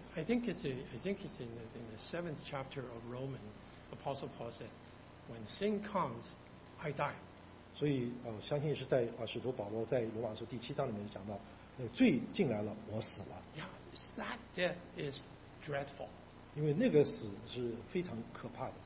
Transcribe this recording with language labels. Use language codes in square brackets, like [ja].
[en] Yeah, I think it's in the seventh chapter of Romans, Apostle Paul said, "When sin comes, I die." [zh] 所以相信是在使徒保罗在罗马书第七章里面讲到，罪进来了，我死了。 [en] Yeah, that death is dreadful. [zh] 因为那个死是非常可怕的。